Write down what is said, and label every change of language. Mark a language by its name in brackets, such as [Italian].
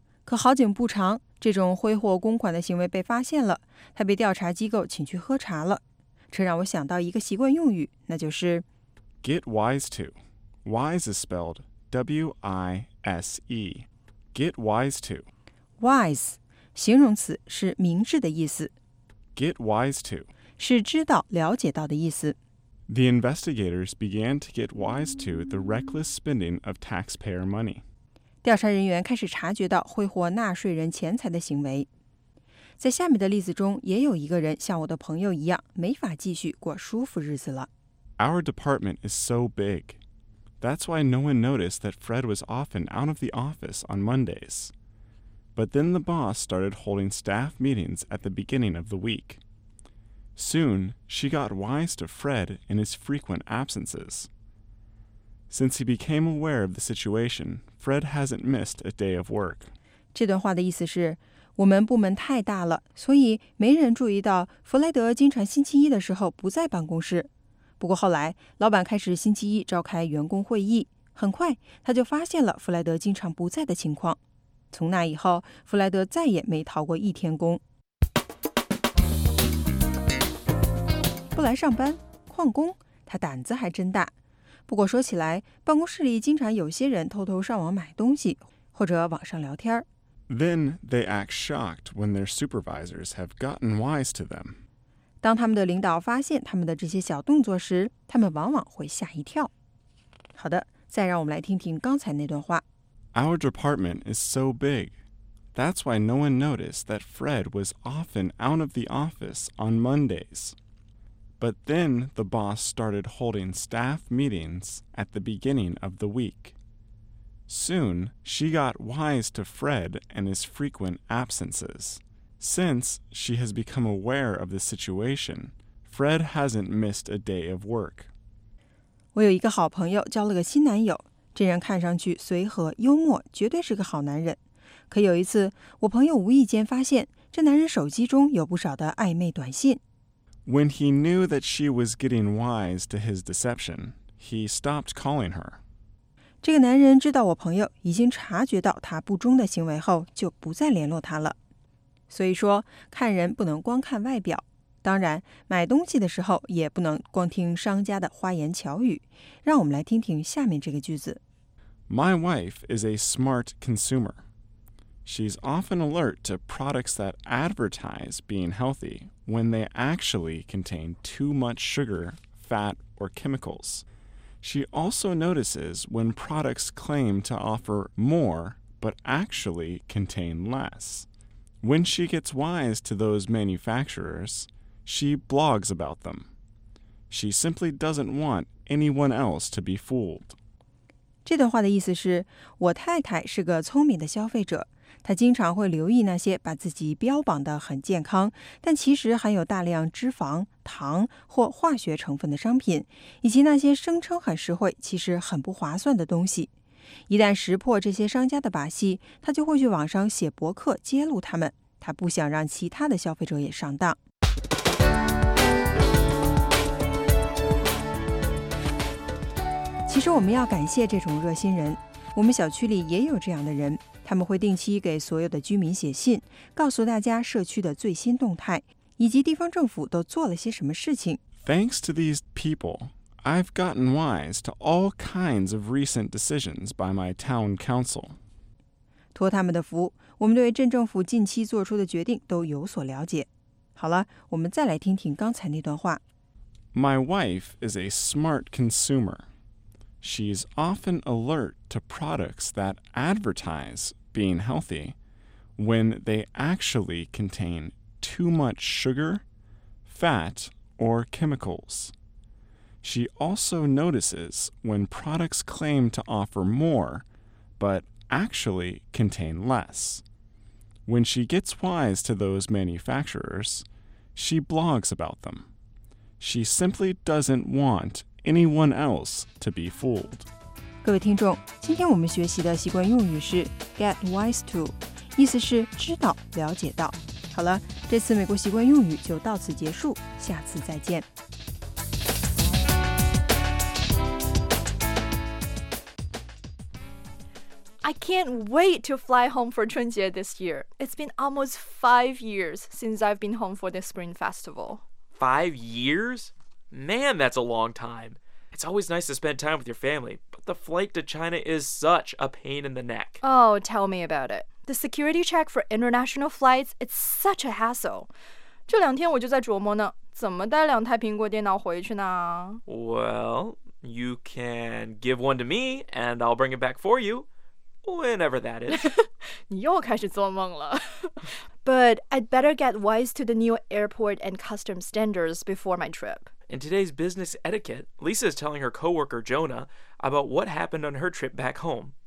[Chinese] 可好景不长，这种挥霍公款的行为被发现了，他被调查机构请去喝茶了。这让我想到一个习惯用语，那就是 [English] Get wise to。 Wise is spelled W-I-S-E. Get wise to. [Chinese] Wise, 形容词，是明智的意思。 [English] Get wise to [Chinese] 是知道、了解到的意思。 [English] The investigators began to get wise to the reckless spending of taxpayer money. [Chinese] 调查人员开始察觉到挥霍纳税人钱财的行为。在下面的例子中，也有一个人像我的朋友一样，没法继续过舒服日子了。 [English] Our department is so big. That's why no one noticed that Fred was often out of the office on Mondays. But then the boss started holding staff meetings at the beginning of the week. Soon, she got wise to Fred in his frequent absences. Since he became aware of the situation, Fred hasn't missed a day of work. [Chinese] 这段话的意思是，我们部门太大了，所以没人注意到弗莱德经常星期一的时候不在办公室。不过后来，老板开始星期一召开员工会议，很快他就发现了弗莱德经常不在的情况。从那以后，弗莱德再也没逃过一天工。不来上班，旷工，他胆子还真大。不过说起来，办公室里经常有些人偷偷上网买东西，或者网上聊天。 [English] Then they act shocked when their supervisors have gotten wise to them. [Chinese] 当他们的领导发现他们的这些小动作时，他们往往会吓一跳。好的，再让我们来听听刚才那段话。 [English] Our department is so big. That's why no one noticed that Fred was often out of the office on Mondays. But then the boss started holding staff meetings at the beginning of the week. Soon, she got wise to Fred and his frequent absences. Since she has become aware of the situation, Fred hasn't missed a day of work. [Chinese] 我有一个好朋友交了个新男友，这人看上去随和幽默，绝对是个好男人。可有一次，我朋友无意间发现这男人手机中有不少的暧昧短信。 [English] When he knew that she was getting wise to his deception, he stopped calling her. [Chinese] 这个男人知道我朋友已经察觉到他不忠的行为后，就不再联络他了。所以说，看人不能光看外表。当然，买东西的时候也不能光听商家的花言巧语。让我们来听听下面这个句子。 [English] My wife is a smart consumer. She's often alert to products that advertise being healthy when they actually contain too much sugar, fat, or chemicals. She also notices when products claim to offer more but actually contain less. When she gets wise to those manufacturers, she blogs about them. She simply doesn't want anyone else to be fooled. [Chinese] 这段话的意思是，我太太是个聪明的消费者。他经常会留意那些把自己标榜得很健康，但其实含有大量脂肪、糖或化学成分的商品，以及那些声称很实惠，其实很不划算的东西。一旦识破这些商家的把戏，他就会去网上写博客揭露他们。他不想让其他的消费者也上当。其实我们要感谢这种热心人，我们小区里也有这样的人。他们会定期给所有的居民写信，告诉大家社区的最新动态，以及地方政府都做了些什么事情。 [English] Thanks to these people, I've gotten wise to all kinds of recent decisions by my town council. [Chinese] 托他们的福，我们对镇政府近期做出的决定都有所了解。好了，我们再来听听刚才那段话。 [English] My wife is a smart consumer. She's often alert to products that advertise being healthy when they actually contain too much sugar, fat, or chemicals. She also notices when products claim to offer more, but actually contain less. When she gets wise to those manufacturers, she blogs about them. She simply doesn't want anyone else to be fooled. [Chinese] 各位听众，今天我们学习的习惯用语是 [English] get wise to， [Chinese] 意思是知道、了解到。好了，这次美国习惯用语就到此结束，下次再见。 [English] I can't wait to fly home for 春节 this year. It's been almost 5 years since I've been home for the Spring Festival. 5 years? Man, that's a long time. It's always nice to spend time with your family, but the flight to China is such a pain in the neck. Oh, tell me about it. The security check for international flights, it's such a hassle. [Chinese] 这两天我就在琢磨呢，怎么带两台苹果电脑回去呢？ [English] Well, you can give one to me, and I'll bring it back for you, whenever that is. [Chinese] 你又开始做梦了。 [English] But I'd better get wise to the new airport and customs standards before my trip. In today's business etiquette, Lisa is telling her coworker Jonah about what happened on her trip back home.